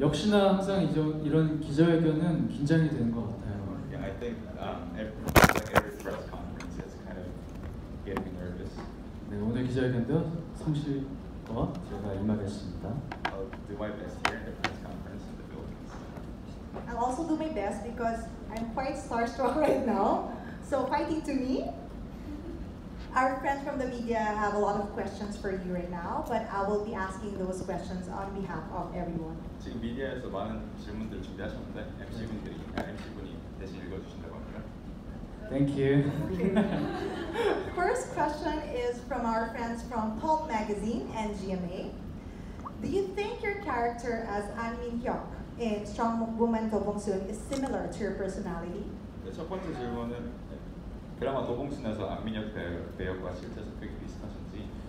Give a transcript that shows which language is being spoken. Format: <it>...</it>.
<ko>역시나 항상 이런 기자회견은 긴장이 되는 것 같아요.</ko> <en>Yeah, I think every press conference is kind of getting nervous.</en> <ko>네, 오늘 기자회견도 성실과 제가 임하겠습니다.</ko> <en>I'll do my best here in the press conference in the Philippines. I'll also do my best because I'm quite starstruck right now. So fighting to me, our friends from the media have a lot of questions for you right now, but I will be asking those questions on behalf of everyone.</en> <ko>지금 미디어에서 많은 질문들 준비하셨는데 MC분이 대신 읽어주신다고 합니다.</ko> <en>Thank you. Okay. First question is from our friends from Pulp Magazine and GMA. Do you think your character as An Min-hyuk in Strong Woman Do Bong-soon is similar to your personality?</en> <ko>네, 첫 번째 질문은 드라마 도봉순에서 안민혁 배역과 실제에서 되게 비슷하신지?</ko>